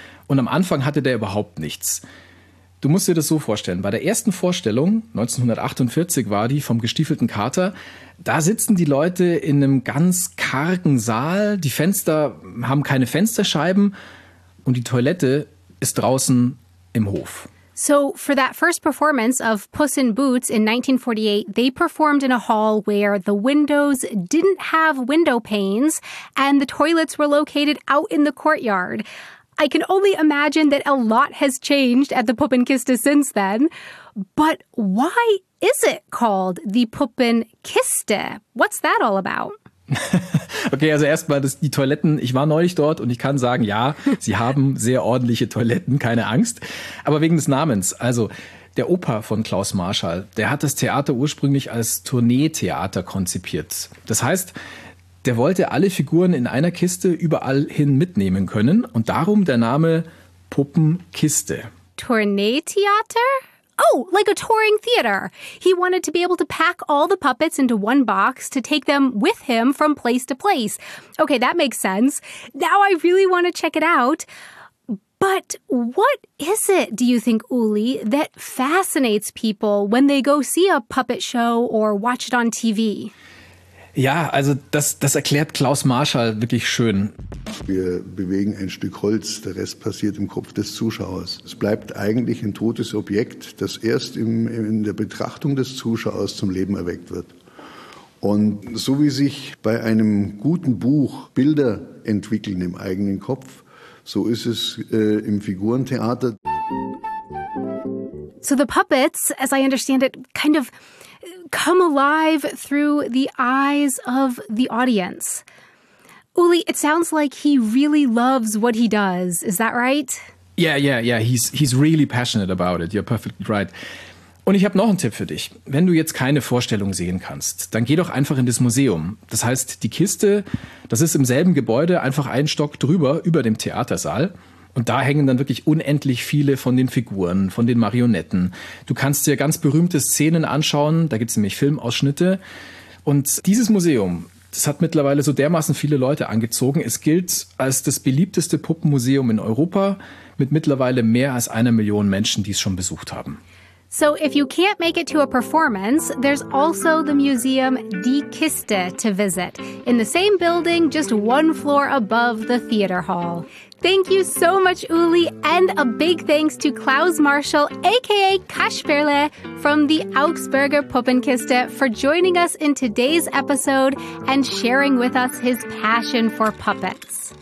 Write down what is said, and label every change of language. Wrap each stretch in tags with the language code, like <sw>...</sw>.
<de>Und am Anfang hatte der überhaupt nichts. Du musst dir das so vorstellen. Bei der ersten Vorstellung, 1948 war die, vom gestiefelten Kater, da sitzen die Leute in einem ganz kargen Saal. Die Fenster haben keine Fensterscheiben und die Toilette ist draußen im Hof.</de> <en>So for that first performance of Puss in Boots in 1948, they performed in a hall where the windows didn't have window panes and the toilets were located out in the courtyard. I can only imagine that a lot has changed at the Puppenkiste since then. But why is it called the Puppenkiste? What's that all about?</en> <de>Okay, also erstmal die Toiletten. Ich war neulich dort und ich kann sagen, ja, sie haben sehr ordentliche Toiletten, keine Angst. Aber wegen des Namens. Also der Opa von Klaus Marschall, der hat das Theater ursprünglich als Tourneetheater konzipiert. Das heißt, der wollte alle Figuren in einer Kiste überall hin mitnehmen können. Und darum der Name Puppenkiste.</de> <en>Tourneetheater? Oh, like a touring theater. He wanted to be able to pack all the puppets into one box to take them with him from place to place. Okay, that makes sense. Now I really want to check it out. But what is it, do you think, Uli, that fascinates people when they go see a puppet show or watch it on TV?</en> <de>Ja, also das erklärt Klaus Marschall wirklich schön. Wir bewegen ein Stück Holz, der Rest passiert im Kopf des Zuschauers. Es bleibt eigentlich ein totes Objekt, das erst in der Betrachtung des Zuschauers zum Leben erweckt wird. Und so wie sich bei einem guten Buch Bilder entwickeln im eigenen Kopf, so ist es im Figurentheater.</de> <en>So the puppets, as I understand it, kind of come alive through the eyes of the audience. Uli, it sounds like he really loves what he does. Is that right? Yeah. He's really passionate about it. You're perfectly right.</en> <de>Und ich habe noch einen Tipp für dich. Wenn du jetzt keine Vorstellung sehen kannst, dann geh doch einfach in das Museum. Das heißt, die Kiste, das ist im selben Gebäude, einfach einen Stock drüber, über dem Theatersaal. Und da hängen dann wirklich unendlich viele von den Figuren, von den Marionetten. Du kannst dir ganz berühmte Szenen anschauen, da gibt es nämlich Filmausschnitte. Und dieses Museum, das hat mittlerweile so dermaßen viele Leute angezogen. Es gilt als das beliebteste Puppenmuseum in Europa, mit mittlerweile mehr als 1 Million Menschen, die es schon besucht haben.</de> <en>So if you can't make it to a performance, there's also the museum Die Kiste to visit, in the same building, just one floor above the theater hall. Thank you so much, Uli, and a big thanks to Klaus Marschall, a.k.a. Kasperle, from the Augsburger Puppenkiste, for joining us in today's episode and sharing with us his passion for puppets.</en>